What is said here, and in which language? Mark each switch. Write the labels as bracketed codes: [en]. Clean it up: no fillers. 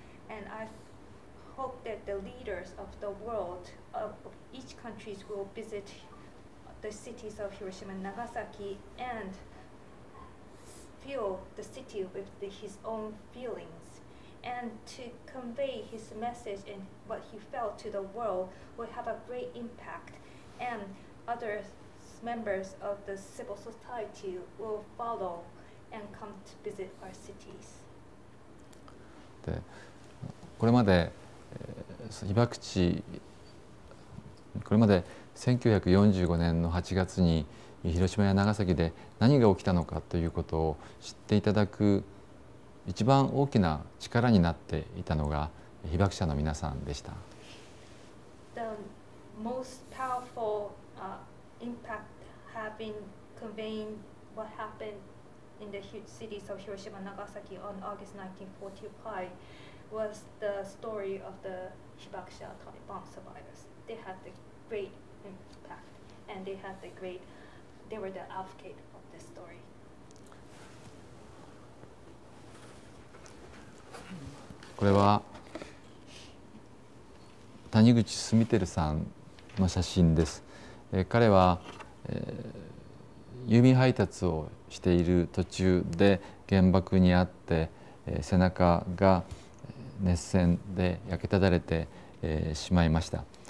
[en] And I hope that the leaders of the world of each country will visit the cities of Hiroshima and Nagasaki and fill the city with his own feelings. And to convey his message and what he felt to the world will have a great impact, and other members of the civil society will follow and come to visit our cities. [ja] で、これまで、被爆地、これまで1945年の8月に広島や長崎で何が起きたのかということを知っていただく一番大きな力になっていたのが被爆者の皆さんでした。 [en] The most powerful, impact having conveyed what happened in the huge cities of Hiroshima and Nagasaki on August 1945 was the story of the Hibakusha atomic bomb survivors. They had the great impact and they had the great, they were the advocate of this story. [ja] これは谷口澄輝さんの写真です。彼は、郵便配達をしている途中で原爆にあって、背中が熱線で焼けただれて、しまいました。